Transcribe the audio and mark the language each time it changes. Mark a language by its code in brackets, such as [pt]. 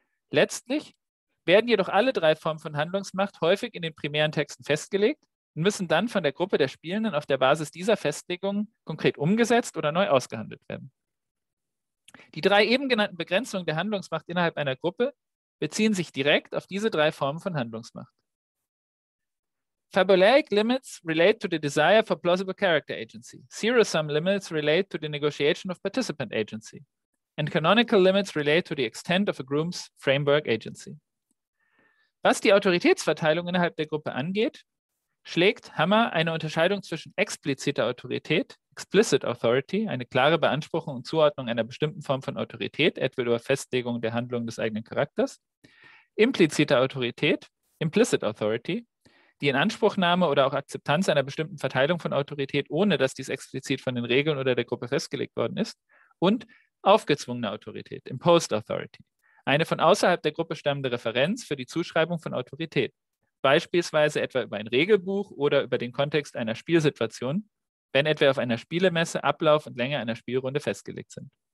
[de] Letztlich werden jedoch alle drei Formen von Handlungsmacht häufig in den primären Texten festgelegt und müssen dann von der Gruppe der Spielenden auf der Basis dieser Festlegungen konkret umgesetzt oder neu ausgehandelt werden. Die drei eben genannten Begrenzungen der Handlungsmacht innerhalb einer Gruppe beziehen sich direkt auf diese drei Formen von Handlungsmacht. [en] Fabulaic limits relate to the desire for plausible character agency. Zero-sum limits relate to the negotiation of participant agency. And canonical limits relate to the extent of a group's framework agency. [de] Was die Autoritätsverteilung innerhalb der Gruppe angeht, schlägt Hammer eine Unterscheidung zwischen expliziter Autorität, explicit authority, eine klare Beanspruchung und Zuordnung einer bestimmten Form von Autorität, etwa über Festlegung der Handlung des eigenen Charakters, implizite Autorität, implicit authority, die Inanspruchnahme oder auch Akzeptanz einer bestimmten Verteilung von Autorität, ohne dass dies explizit von den Regeln oder der Gruppe festgelegt worden ist, und aufgezwungene Autorität, imposed authority, eine von außerhalb der Gruppe stammende Referenz für die Zuschreibung von Autorität, beispielsweise etwa über ein Regelbuch oder über den Kontext einer Spielsituation, wenn etwa auf einer Spielemesse Ablauf und Länge einer Spielrunde festgelegt sind.